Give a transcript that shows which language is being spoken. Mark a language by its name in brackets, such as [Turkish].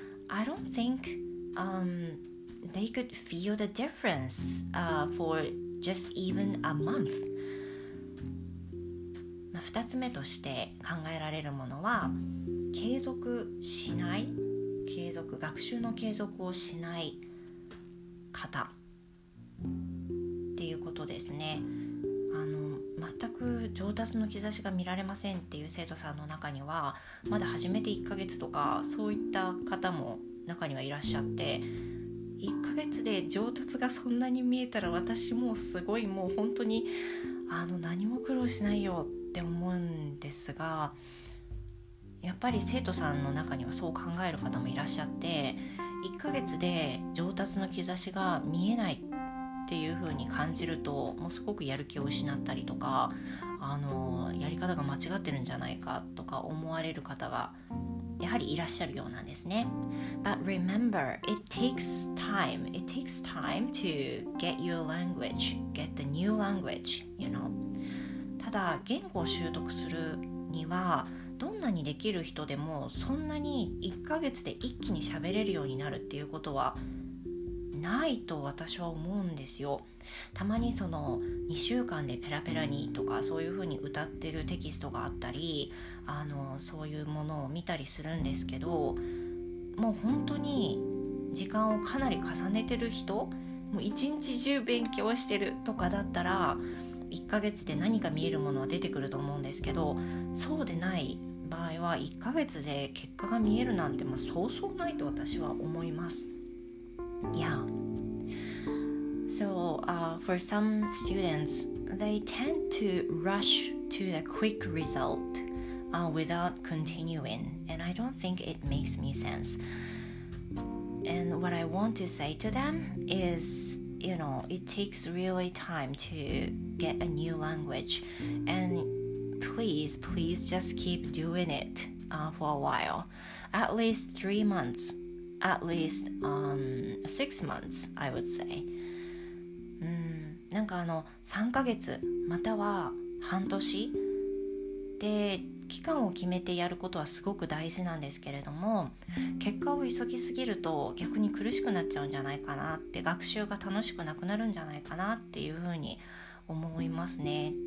[English] I don't think they could feel the difference for just even a month. [Japanese] 2つ目として考えられるものは、継続しない、継続、学習の継続をしない方っていうことですね。あの全く上達の兆しが見られませんっていう生徒さんの中には、まだ始めて1ヶ月とかそういった方も中にはいらっしゃって、1ヶ月で上達がそんなに見えたら私もすごい、もう本当にあの何も苦労しないよって思うんですが、やっぱり生徒さんの中にはそう考える方もいらっしゃって、1ヶ月で上達の兆しが見えないっていう風に感じると、もうすごくやる気を失ったりとか、あのやり方が間違ってるんじゃないかとか思われる方がやはりいらっしゃるようなんですね。 [English] But remember, it takes time. It takes time to get your language, get the new language, you know. [Japanese] ただ言語を習得するには、どんなにできる人でもそんなに1ヶ月で一気に喋れるようになるっていうことはないと私は思うんですよ。たまにその2週間でペラペラにとか、そういうふうに歌ってるテキストがあったり、あのそういうものを見たりするんですけど、もう本当に時間をかなり重ねてる人、もう一日中勉強してるとかだったら1ヶ月で何か見えるものは出てくると思うんですけど、そうでない場合は1ヶ月で結果が見えるなんて、まあ、そうそうないと私は思います。 [English] Yeah. So, for some students, they tend to rush to the quick result, without continuing, and I don't think it makes me sense. And what I want to say to them is, you know, it takes really time to get a new language, and please, please just keep doing it for a while, at least 3 months, at least 6 months, I would say. [Japanese] なんかあの3ヶ月または半年で期間を決めてやることはすごく大事なんですけれども、結果を急ぎすぎると逆に苦しくなっちゃうんじゃないかなって、学習が楽しくなくなるんじゃないかなっていうふうに思いますね。